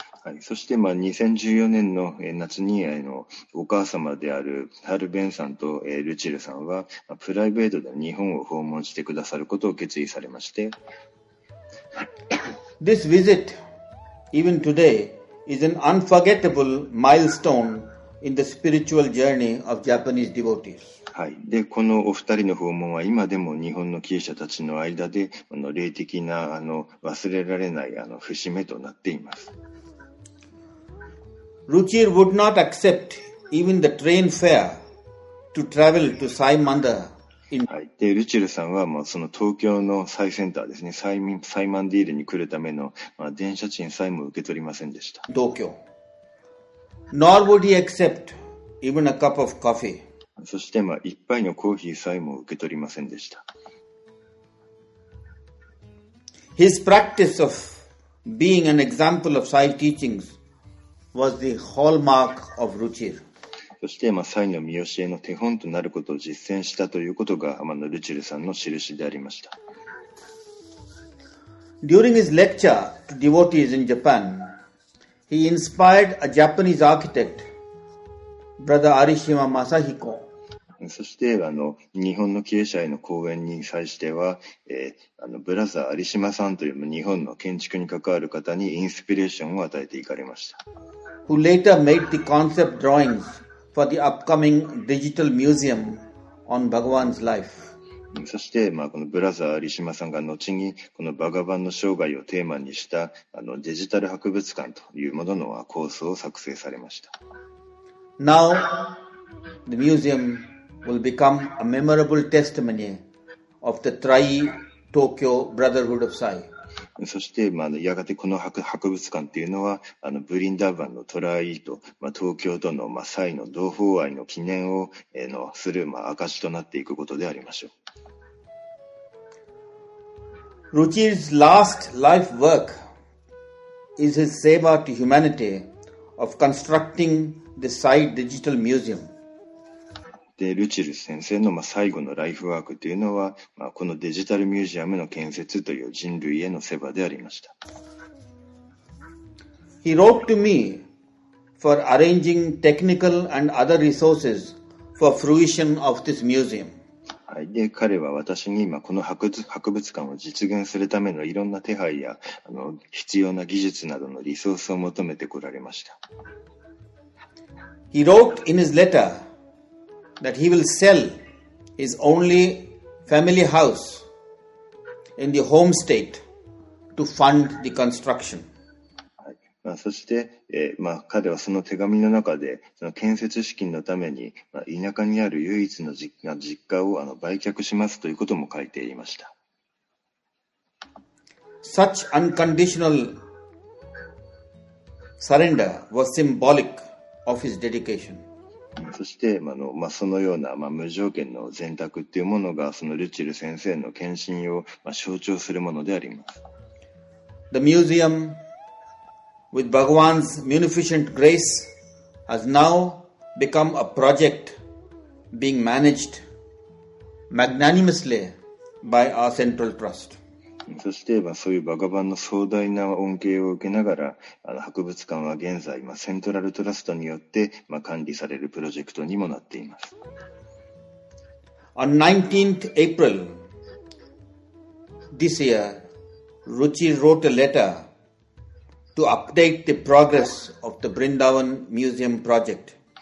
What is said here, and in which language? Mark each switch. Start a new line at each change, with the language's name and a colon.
Japanese: はい、そして、まあ、2014年の夏にお母様であるタルベンさんと、ルチルさんは、まあ、プライベートで日本を訪問してくださることを決意されまして。
English: This visit, even today, is an unforgettable milestone in the spiritual journey of Japanese devotees.
Japanese: はい、でこのお二人の訪問は今でも日本の経営者たちの間で霊的な忘れられない節目となっています。
English: Ruchir would not accept even the train fare to travel to Sai Manda in...、
Japanese: はい、でルチルさんはもうその東京の最センターですね、サイマンディールに来るための、まあ、電車賃さえも受け取りませんでした。
English: 東京 Nor would he accept even a cup of coffee
Japanese: そして、まあ、一杯のコーヒーさえも受け取りませんでした。
English: His practice of being an example of Sai teachings was the hallmark of Ruchir.
Japanese: そして、まあ、サイの見教えの手本となることを実践したということが、まあ、ルチルさんの印でありました。
English: During his lecture to devotees in Japan, he inspired a Japanese architect, Brother Arishima Masahiko.
Japanese: そして日本の経営者への講演に際しては、ブラザー有島さんという日本の建築に関わる方にインスピレーションを与えていかれました。
English: Who later made the concept drawings for the upcoming digital museum on Bhagavan's life.
Japanese: そして、まあ、このブラザー有島さんが後にこのバガバンの生涯をテーマにしたデジタル博物館というものの構想を作成されました。
English: Now, the museumwill become a memorable testimony of the Tri-Tokyo Brotherhood of Sai.
Japanese: そして、まあ、やがてこの博物館というのは、ブリンダーバンのトライと、まあ、東京との、まあ、サイの同胞愛の記念を、する、まあ、証しとなっていくことでありましょう。
English: Ruchir's last life work is his seva to humanity of constructing the Sai Digital Museum.
Japanese: で、ルチル先生の最後のライフワークというのは、このデジタルミュージアムの建設という人類へのセバでありました。
English: He wrote to me for arranging technical and other resources for fruition of this museum.
Japanese: はい、で、彼は私に今この博物館を実現するためのいろんな手配や必要な技術などのリソースを求めてこられました。
English: He wrote in his letter that he will sell his only family house in the home state to fund the construction.
Japanese: はい。そして、彼はその手紙の中で、その建設資金のために、田舎にある唯一の実家を売却しますということも書いていました。
English: Such unconditional surrender was symbolic of his dedication.
Japanese: そして、そのような、無条件の選択っていうものがそのルチル先生の献身を、象徴するものであります。
English: The museum with Bhagwan's munificent grace has now become a project being managed magnanimously by our central trust.
Japanese: そして、そういうバガバンの壮大な恩恵を受けながら、博物館は現在、セントラルトラストによって、管理されるプロジェクトにもなっています。
English: On 19th April this year, Ruchi wrote a letter to update the progress of the Vrindavan Museum project.